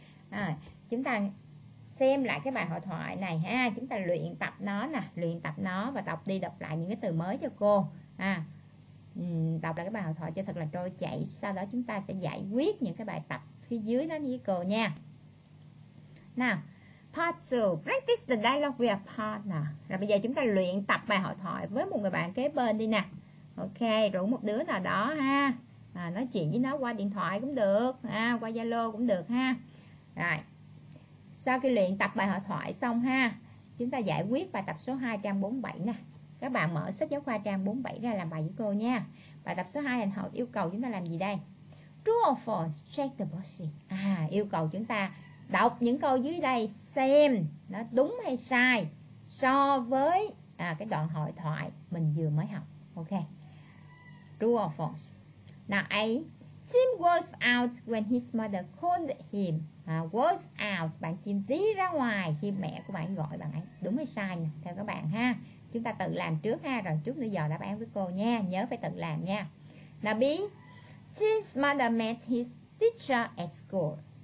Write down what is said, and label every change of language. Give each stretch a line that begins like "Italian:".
Vietnamese: À, chúng ta xem lại cái bài hội thoại này ha, chúng ta luyện tập nó nè, luyện tập nó và đọc đi đọc lại những cái từ mới cho cô ha. Đọc lại cái bài hội thoại cho thật là trôi chảy, sau đó chúng ta sẽ giải quyết những cái bài tập phía dưới đó với cô nha.
English: Nào, part 2, practice the dialogue with a partner.
Vietnamese: Rồi bây giờ chúng ta luyện tập bài hội thoại với một người bạn kế bên đi nè. Ok, rủ một đứa nào đó ha. À, nói chuyện với nó qua điện thoại cũng được, qua Zalo cũng được ha. Rồi, sau khi luyện tập bài hội thoại xong ha, chúng ta giải quyết bài tập số 247 nè. Các bạn mở sách giáo khoa trang 47 ra làm bài với cô nha. Bài tập số 2 hình hậu yêu cầu chúng ta làm gì đây?
English: True or false, check the boxes.
Vietnamese: À, yêu cầu chúng ta đọc những câu dưới đây xem nó đúng hay sai so với cái đoạn hội thoại mình vừa mới học.
English: Ok. True or false. Now A, Tim was out when his mother called him. Was out,
Vietnamese: bạn Tim đi ra ngoài khi mẹ của bạn gọi bạn ấy. Đúng hay sai nè, theo các bạn ha. Chúng ta tự làm trước ha, rồi chút nữa giờ đáp án với cô nha. Nhớ phải tự làm nha.
English: Now B, Tim's mother met his teacher at school.